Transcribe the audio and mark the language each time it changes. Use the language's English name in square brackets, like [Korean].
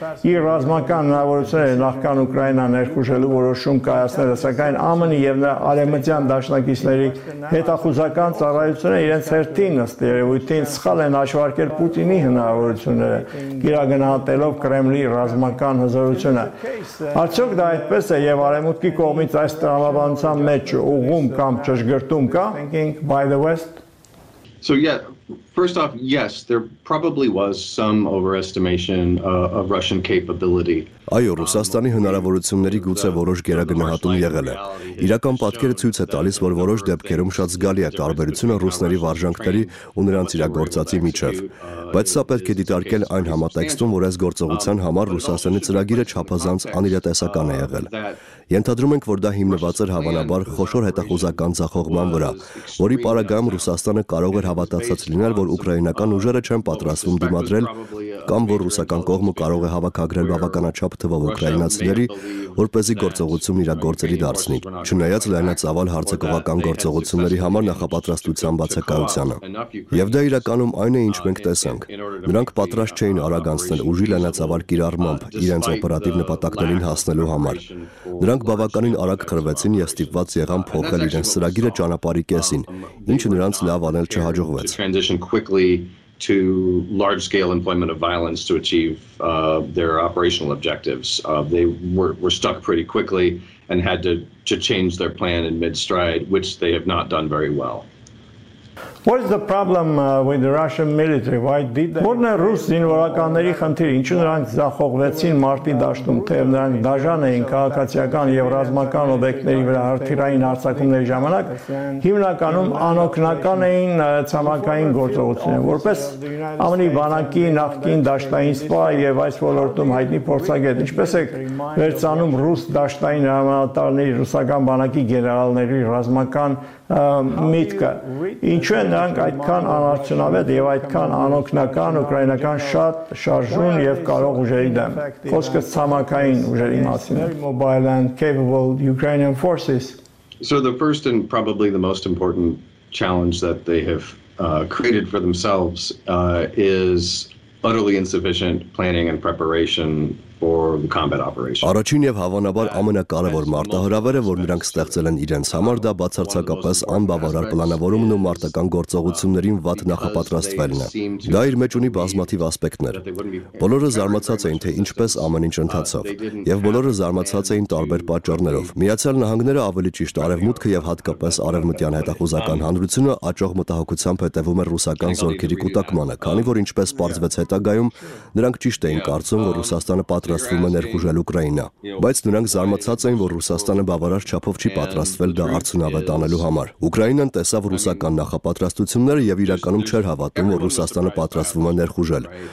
[Armenian] իր ռազմական հնարավորությունները նախքան Ուկրաինա ներխուժելու որոշում կայացնելը, սակայն ԱՄՆ-ի և նրա արևմտյան դաշնակիցների հետախուզական ծառայությունը իրենց հերթին ըստ երևույթին սխալ են հաշվարկել Պուտինի հնարավորությունները, գերագնահատելով Կրեմլի ռազմական հզորությունը։ Արդյոք դա այդպես է և արևմուտքի կողմից այս տրամաբանության մեջ ուղում կամ ճշգրտում կա։ [English] By the West. So yeah, First off, yes, there probably was some overestimation of Russian capability. [Armenian] Այո, Ռուսաստանի հնարավորությունների գուցե որոշ գերագնահատում եղել է։ Իրական պատկերը ցույց է տալիս, որ որոշ դեպքերում շատ զգալի է տարբերությունը ռուսների վարժանքների ու նրանց իրագործածի միջև։ Բայց սա պետք է դիտարկել այն համատեքստում, որ այս գործողության համար Ռուսաստանի ծրագիրը չափազանց անիրատեսական է եղել։ Ենթադրում ենք, որ դա հիմնված էր հավանաբար խոշոր հետախուզական ձախողման վրա, որի պարագայում Ռուսաստանը կարող էր հավատացած լինել, որ ուկրաինական ուժերը չեն պատրաստվում դիմադրել կամ որ ռուսական կողմը կարող է հավաքագրել բավականաչափ թվով ուկրաինացիների, որպեսզի գործողություն իրագործելի դարձնի, չնայած լայնածավալ հարձակողական գործողությունների համար նախապատրաստության բացակայությանը։ Եվ դա իրականում այն է, ինչ մենք տեսանք։ Նրանք պատրաստ չէին արագ անցնել ուժի լայնածավալ կիրառմամբ իրենց օպերատիվ նպատակներին հասնելու համար։ Նրանք բավականին արագ խրվեցին և ստիպված եղան փոխել իրենց ծրագիրը ճանապարհի կեսին, ինչը նրանց լավ անել չհաջողվեց։ [English] To large-scale employment of violence to achieve their operational objectives. They were stuck pretty quickly and had to change their plan in mid-stride, which they have not done very well. What is the problem with the Russian military? Why did they? [Armenian] Որն է ռուս զինվորականների խնդիրը, ինչու նրանք զախողվեցին մարտի դաշտում, թե նրանք դաժան էին քաղաքացիական և ռազմական օբյեկտների վրա արտիրային հարձակումների ժամանակ, հիմնականում անօգնական էին ցամաքային գործողությունները, որպես ԱՄՆ-ի բանակի նախկին դաշտային սպա և այս ոլորտում հայտնի փորձագետ, ինչպես է վերցանում ռուս դաշտային հրամանատարների ռուսական բանակի գեներալների ռազմական միտքը, ինչու են նրանք այդքան անարդյունավետ և այդքան անօգնական ուկրաինական շատ շարժուն և կարող ուժերի դեմ, խոսքը ցամաքային ուժերի մասին է. [English] Mobile and capable Ukrainian forces. So the first and probably the most important challenge that they have created for themselves is utterly insufficient planning and preparation for the combat operation. [Armenian] Առաջին եւ հավանաբար ամենակարևոր մարտահրավերը, որ նրանք ստեղծել են իրենց համար, դա բացարձակապես անբավարար պլանավորումն ու մարտական գործողություններին վատ նախապատրաստվելն է։ Դա իր մեջ ունի բազմաթիվ ասպեկտներ։ Բոլորը զարմացած էին, թե ինչպես ամեն ինչ ընթացավ, եւ բոլորը զարմացած էին տարբեր պատճառներով։ Միացյալ Նահանգները, ավելի ճիշտ Արևմուտքը եւ հատկապես Արևմտյան Հետախուզական Հանրությունը աճող մտահոգությամբ հետևում է ռուսական զորքերի կուտակմանը, քանի որ ինչպես պարզվեց հետագայում, նրանք ճիշտ էին կարծում, որ Ռուսաստանը պատրաստվում է ներխուժել Ուկրաինա, բայց նրանք զարմացած էին, որ Ռուսաստանը բավարար չափով չի պատրաստվել դա արդյունավետ անելու համար։ Ուկրաինան տեսավ ռուսական նախապատրաստությունները եւ իրականում չէր հավատում, որ Ռուսաստանը պատրաստվում է ներխուժել,